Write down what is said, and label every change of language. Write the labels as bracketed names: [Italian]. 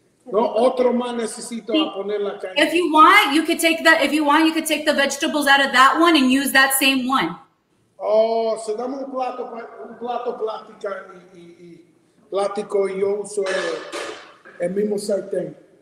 [Spanish] No, otro más necesito a poner la carne. [English] If you want, you could take that. If you want, you could take the vegetables out of that one and use that same one. [Spanish] Oh, so dame un plato plástica Platico y yo uso el mismo sartén.